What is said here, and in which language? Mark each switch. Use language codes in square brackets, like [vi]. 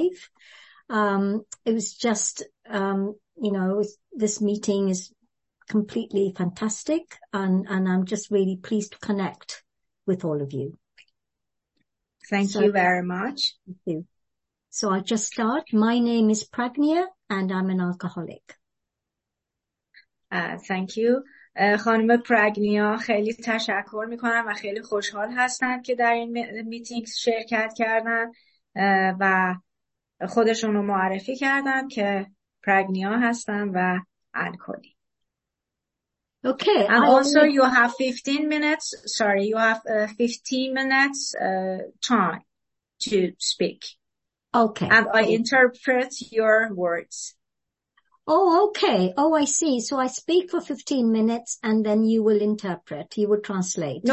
[en] It was just, you know, this meeting is completely fantastic, and I'm just really pleased to connect with all of you. Thank you very much. Thank you. So I'll just start. My name is Pragnia, and I'm an alcoholic. Thank you. [fa] خانم پرگنیا، خیلی تشکر میکنم و خیلی خوشحال هستم که در این میتینگ شرکت کردن و خودشون رو معرفی کردم که پرگنیا هستم و الکلی. [en] Okay, and also you have 15 minutes, sorry, you have 15 minutes time to speak. Okay. And I interpret your words. Oh, okay. Oh, I see. So I speak for 15 minutes and then you will interpret, you will translate.